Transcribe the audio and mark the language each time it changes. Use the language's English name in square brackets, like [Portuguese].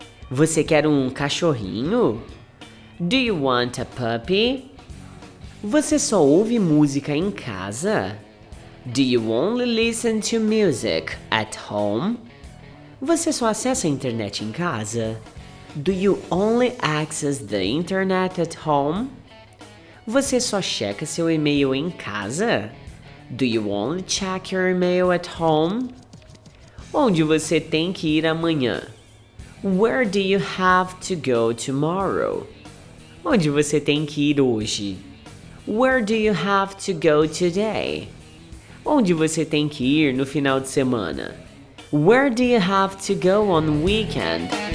[Portuguese] Você quer um cachorrinho? [English] Do you want a puppy? [Portuguese] Você só ouve música em casa? [English] Do you only listen to music at home? [Portuguese] Você só acessa a internet em casa? [English] Do you only access the internet at home? [Portuguese] Você só checa seu e-mail em casa? [English] Do you only check your email at home? [Portuguese] Onde você tem que ir amanhã? [English] Where do you have to go tomorrow? [Portuguese] Onde você tem que ir hoje? [English] Where do you have to go today? [Portuguese] Onde você tem que ir no final de semana? [English] Where do you have to go on weekend?